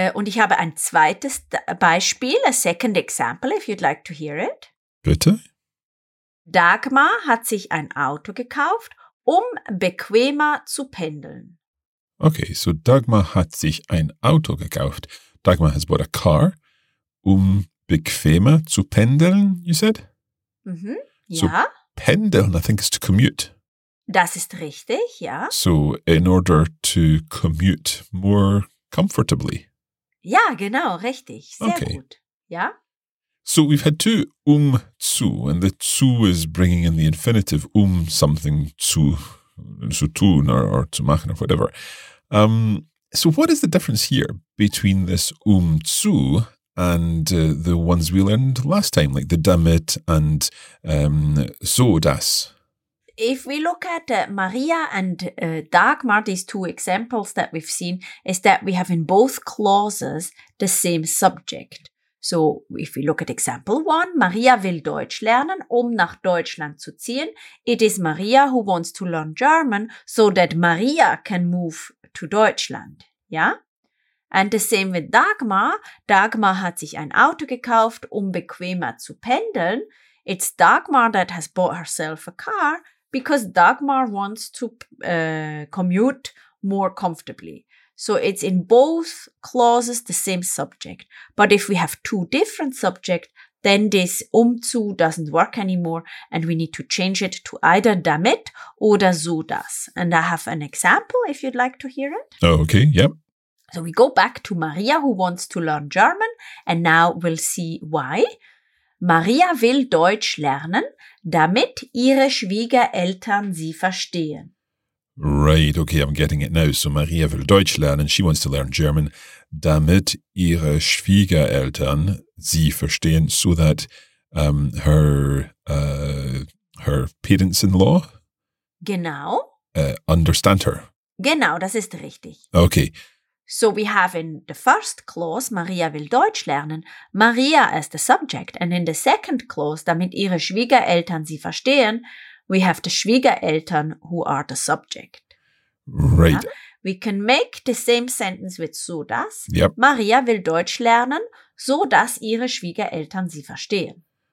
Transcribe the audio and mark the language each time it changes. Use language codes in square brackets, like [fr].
[de] Und ich habe ein zweites Beispiel, [en] a second example, if you'd like to hear it. [de] Bitte? Dagmar hat sich ein Auto gekauft, bequemer zu pendeln. Okay, so Dagmar hat sich ein Auto gekauft. [en] Dagmar has bought a car, [de] bequemer zu pendeln, [en] you said? [de] Mhm, ja. [en] So pendeln, I think, is to commute. [de] Das ist richtig, ja. [en] So, in order to commute more comfortably. [de] Ja, genau, richtig. Sehr okay. gut. Ja. [en] So, we've had two zu, and the zu is bringing in the infinitive something zu tun or zu machen or whatever. So, what is the difference here between this zu and the ones we learned last time, like the damit and so das? If we look at Maria and Dagmar, these two examples that we've seen, is that we have in both clauses the same subject. So if we look at example one, [de] Maria will Deutsch lernen, nach Deutschland zu ziehen. [en] It is Maria who wants to learn German so that Maria can move to Deutschland. Yeah? And the same with Dagmar. [de] Dagmar hat sich ein Auto gekauft, bequemer zu pendeln. [en] It's Dagmar that has bought herself a car, because Dagmar wants to commute more comfortably. So it's in both clauses the same subject. But if we have two different subjects, then this umzu doesn't work anymore and we need to change it to either damit oder so das. And I have an example if you'd like to hear it. Okay, yep. So we go back to Maria who wants to learn German and now we'll see why. [de] Maria will Deutsch lernen, damit ihre Schwiegereltern sie verstehen. [en] Right, okay, I'm getting it now. So [de] Maria will Deutsch lernen, [en] she wants to learn German, [de] damit ihre Schwiegereltern sie verstehen, [en] so that her parents-in-law [de] genau [en] understand her. [de] Genau, das ist richtig. [en] Okay. So we have in the first clause, [de] Maria will Deutsch lernen, [en] Maria as the subject. And in the second clause, [de] damit ihre Schwiegereltern sie verstehen, [en] we have the Schwiegereltern who are the subject. Right. Yeah? We can make the same sentence with so dass. Yep. [de] Maria will Deutsch lernen, so dass ihre Schwiegereltern sie verstehen.